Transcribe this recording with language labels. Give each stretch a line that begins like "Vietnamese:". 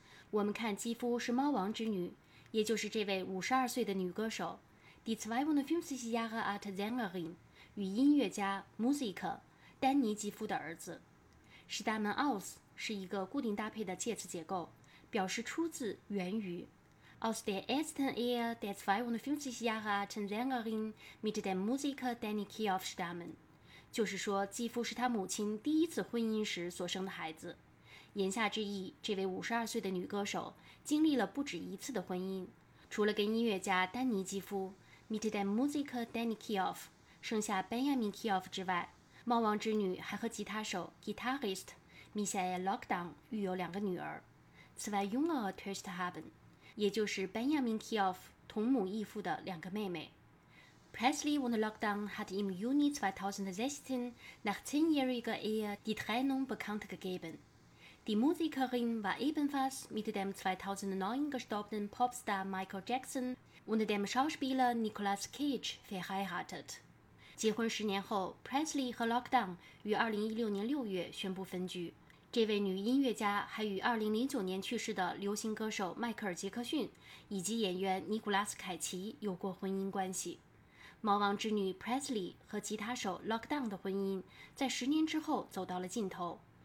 Chinese: 我们看基夫是猫王之女，也就是这位52岁的女歌手
German: Die 52 Jahre alt Sängerin，
Chinese: 与音乐家 Musiker 丹尼·基夫的儿子。 Stammen aus 是一个固定搭配的介词结构，表示出自、源于。
German: Aus der ersten Ehe der 52 Jahre alten Sängerin mit dem Musiker Danny Kiew stammen，
Chinese: 就是说基夫是他母亲第一次婚姻时所生的孩子。言下之意，这位52岁的女歌手经历了不止一次的婚姻，除了跟音乐家丹尼·基夫
German: mit dem Musiker Danny Kiew
Chinese: 生下 Benjamin Kiev 之外，猫王之女还和吉他手 guitarist Michael Lockdown 育有两个女儿。此外
German: jüngere Töchter haben，
Chinese: 也就是 Benjamin Kiev 同母异父的两个妹妹。
German: Presley und Lockdown hat im Juni 2016 nach 10-jähriger Ehe die Trennung bekannt gegeben. Die Musikerin war ebenfalls mit dem 2009 gestorbenen Popstar Michael Jackson und dem Schauspieler Nicolas Cage verheiratet.
Chinese: 结婚十年后 ，Presley 和 Lockdown 于2016年6月宣布分居。这位女音乐家还与2009年去世的流行歌手迈克尔·杰克逊以及演员尼古拉斯·凯奇有过婚姻关系。猫王之女 Presley 和吉他手 Lockdown 的婚姻在十年之后走到了尽头。